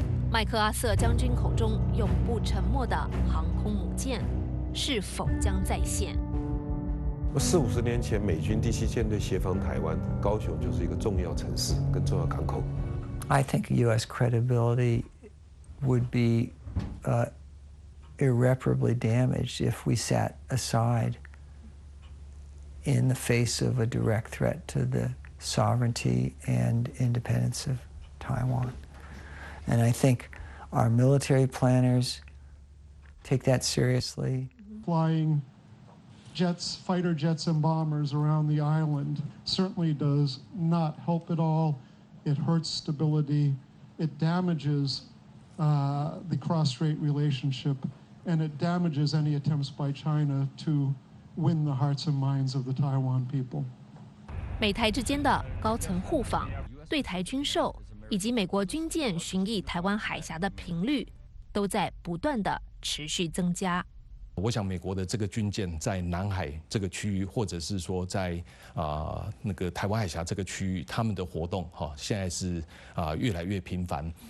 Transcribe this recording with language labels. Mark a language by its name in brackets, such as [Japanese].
[Chinese] 麦克阿瑟将军口中永不沉默的航空母舰，是否将再现？四五十年前，美军第七舰队协防台湾，高雄就是一个重要城市跟重要港口。 [English] I think U.S. credibility would be irreparably damaged if we sat aside in the face of a direct threat to the sovereignty and independence of Taiwan. And I think our military planners take that seriously. Flying jets, fighter jets and bombers around the island certainly does not help at all. It hurts stability. It damages the cross-strait relationship. And it damages any attempts by China to win the hearts and minds of the Taiwan people. [Chinese] 美台之间的高层互访、对台军售以及美国军舰巡弋台湾海峡的频率都在不断的持续增加。我想美国的这个军舰在南海这个区域，或者是说在那个台湾海峡这个区域，他们的活动哈，现在是越来越频繁。